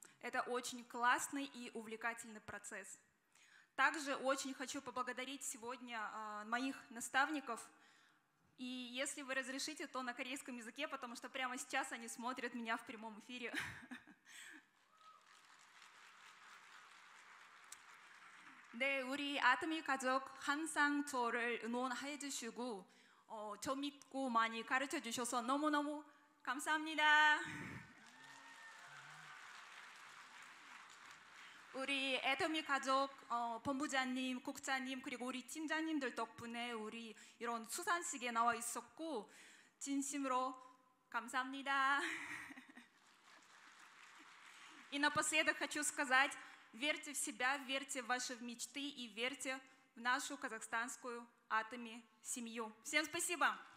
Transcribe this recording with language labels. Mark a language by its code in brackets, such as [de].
[ru] Это очень классный и увлекательный процесс. Также очень хочу поблагодарить сегодня моих наставников. И если вы разрешите, то на корейском языке, потому что прямо сейчас они смотрят меня в прямом эфире. [ko] Да, ури Atomy 가족 항상 저를 응원해 주시고 저 믿고 많이 가르쳐 주셔서 너무너무 감사합니다. 우리 애터미 가족 본부장님, 국장님, 그리고 우리 팀장님들 덕분에 우리 이런 수산식에 나와 있었고 진심으로 감사합니다. [ru] И напоследок хочу сказать, верьте в себя, верьте в ваши мечты и верьте в нашу казахстанскую Atomy семью. Всем спасибо!